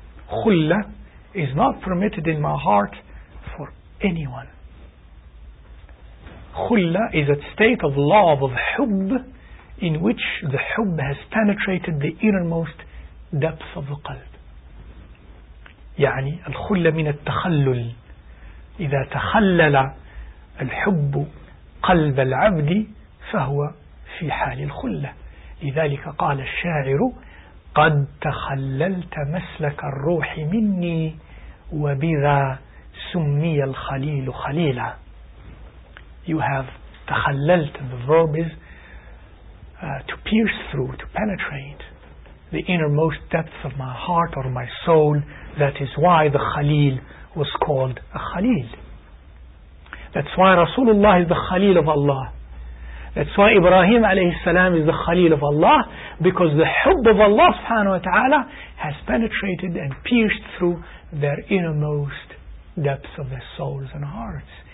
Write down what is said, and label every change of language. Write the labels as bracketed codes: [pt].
[en] Khulla is not permitted in my heart for anyone. Khulla is a state of love, of hubb, in which the hubb has penetrated the innermost depths of the qalb. [ar] يعني الخل من التخلل إذا تخلل الحب قلب العبد فهو في حال الخلة. لذلك قال الشاعر قد تخللت مسلك الروح مني وبذا سمي الخليل خليلا. [en] You have تخللت, the verb is to pierce through, to penetrate the innermost depths of my heart or my soul. That is why the Khalil was called a Khalil. That's why Rasulullah is the Khalil of Allah. That's why Ibrahim alayhi salam is the Khalil of Allah, because the hub of Allah subhanahu wa ta'ala has penetrated and pierced through their innermost depths of their souls and hearts.